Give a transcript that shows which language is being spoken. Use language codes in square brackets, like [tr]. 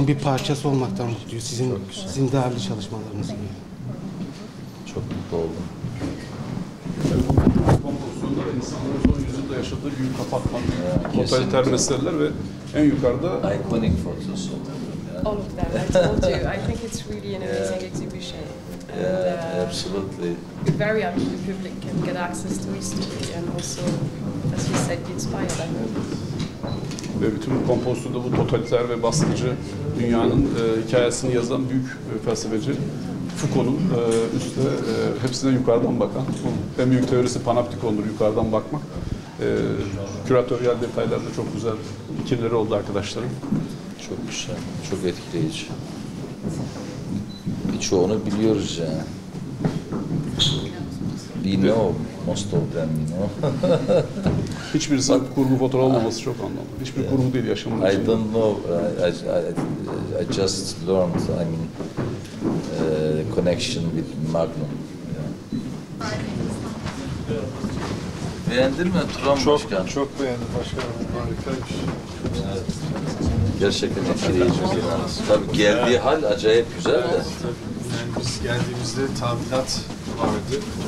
[tr] çok bir parçası olmaktan mutluyuz. Sizin değerli çalışmalarınız gibi. Çok mutlu oldum. Kompozisyonlar insanların son yüzyılda yaşadığı büyük kapatmak, totaliter meseleler ve en yukarıda [en] iconic photos. All of them, I told you. I think it's really an amazing exhibition. Yeah, absolutely. Very happy the public can get access to history and also, as you said, be inspired. [tr] Ve bütün bu kompozisyonda bu totaliter ve baskıcı dünyanın hikayesini yazan büyük felsefeci Foucault'un üstte hepsinden yukarıdan bakan, en büyük teorisi panoptikondur yukarıdan bakmak. Küratöryel detaylarda çok güzel fikirleri oldu arkadaşlarım. Çok güzel, çok etkileyici. Birçoğunu biliyoruz ya. [en] We know, most of them we know. [tr] Hiçbir sanki kurgu fotoğraf olmaması çok anlamlı. Hiçbir kurgu değil yaşamın içinde. [en] I don't know. I just learned, I mean, connection with Magnum. Yeah. [tr] Beğendin mi Turan Başkan? Çok beğendim başkanım. Harikaymış. Gerçekten etkileyici. Tabii geldiği hal acayip güzel de. Yani biz geldiğimizde tabiat vardı.